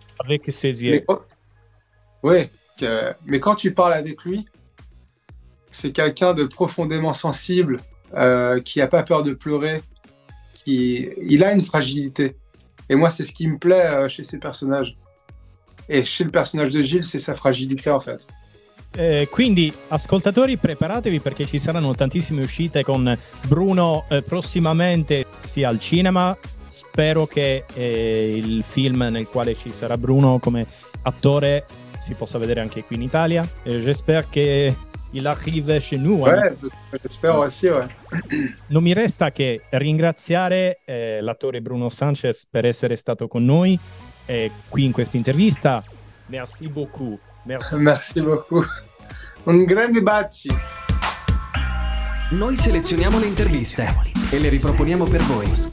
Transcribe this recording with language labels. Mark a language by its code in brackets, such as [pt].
[fr] Avec ses yeux. Mais quand tu parles avec lui, c'est quelqu'un de profondément sensible, qui n'a pas peur de pleurer, il a une fragilité. Et moi, c'est ce qui me plaît chez ces personnages. [it] E c'è il personaggio di Gilles, c'è la fragilità in effetti. Quindi, ascoltatori, preparatevi perché ci saranno tantissime uscite con Bruno prossimamente, sia al cinema. Spero che il film nel quale ci sarà Bruno come attore si possa vedere anche qui in Italia. [fr] J'espère che il arrive chez nous. [it] Spero sì. Non mi resta che ringraziare l'attore Bruno Sanchez per essere stato con noi. E qui in questa intervista. [fr] Merci beaucoup. Merci beaucoup. [it] Un grande bacio. Noi selezioniamo le interviste e le riproponiamo per voi.